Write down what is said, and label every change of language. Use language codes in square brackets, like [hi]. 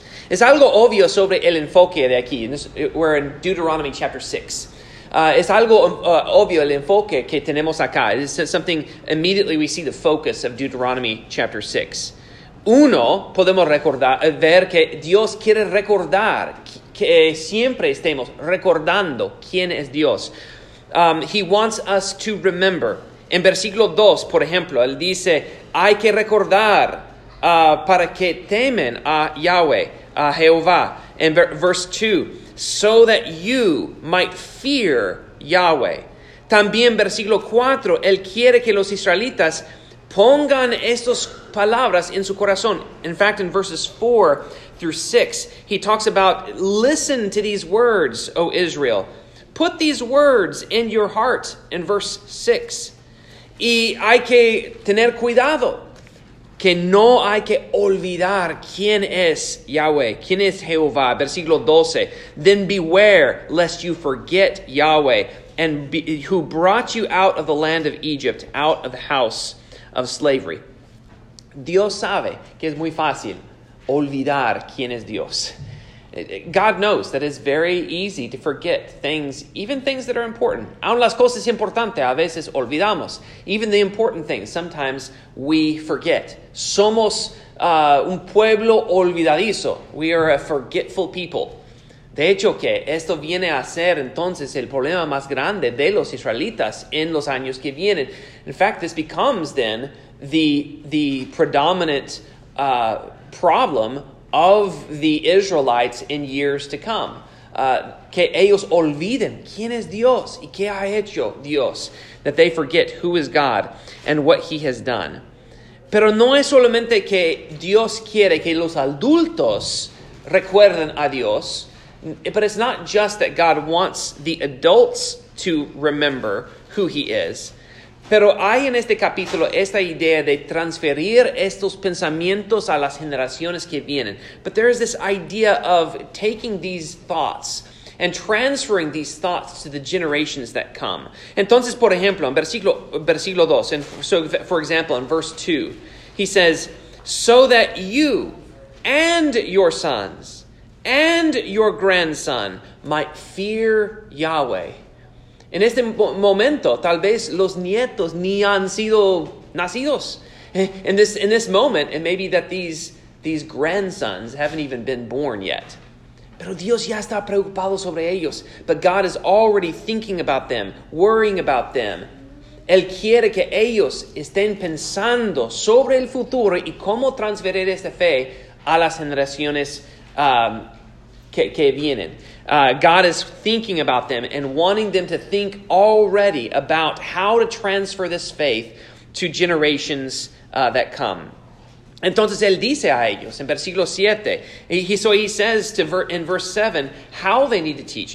[es] Es algo obvio sobre el enfoque de aquí. [en] We're in Deuteronomy chapter 6. [es] Es algo obvio el enfoque que tenemos acá. [en] It's something immediately we see the focus of Deuteronomy chapter 6. [es] Uno, podemos recordar, ver que Dios quiere recordar, que siempre estemos recordando quién es Dios. [en] He wants us to remember. [es] En versículo 2, por ejemplo, él dice, hay que recordar para que temen a Yahweh, a Jehová. [en] En verse 2, so that you might fear Yahweh. [es] También versículo 4, él quiere que los israelitas pongan estas palabras en su corazón. [en] In fact, in verses 4 through 6, he talks about, listen to these words, O Israel. Put these words in your heart, in verse 6. [es] Y hay que tener cuidado, que no hay que olvidar quién es Yahweh, quién es Jehová, versículo 12. [en] Then beware, lest you forget Yahweh, and who brought you out of the land of Egypt, out of the house of slavery. [es] Dios sabe que es muy fácil olvidar quién es Dios. [en] God knows that it's very easy to forget things, even things that are important. [es] Aun las cosas importantes, a veces olvidamos. [en] Even the important things, sometimes we forget. [es] Somos un pueblo olvidadizo. [en] We are a forgetful people. [es] De hecho, que esto viene a ser entonces el problema más grande de los israelitas en los años que vienen. [en] In fact, this becomes then the predominant problem of the Israelites in years to come. [es] Que ellos olviden quién es Dios y qué ha hecho Dios. [en] That they forget who is God and what he has done. [es] Pero no es solamente que Dios quiere que los adultos recuerden a Dios. [en] But it's not just that God wants the adults to remember who he is. [es] Pero hay en este capítulo esta idea de transferir estos pensamientos a las generaciones que vienen. [en] But there is this idea of taking these thoughts and transferring these thoughts to the generations that come. [es] Entonces, por ejemplo, en versículo 2, [en] and so for example, in verse 2, he says, so that you and your sons and your grandson might fear Yahweh. [es] En este momento, tal vez los nietos ni han sido nacidos. [en] In this moment, it may be that these grandsons haven't even been born yet. [es] Pero Dios ya está preocupado sobre ellos. [en] But God is already thinking about them, worrying about them. [es] Él quiere que ellos estén pensando sobre el futuro y cómo transferir esta fe a las generaciones que vienen. [en] God is thinking about them and wanting them to think already about how to transfer this faith to generations that come. [es] Entonces, él dice a ellos, en versículo 7, [en] he says in verse 7, how they need to teach.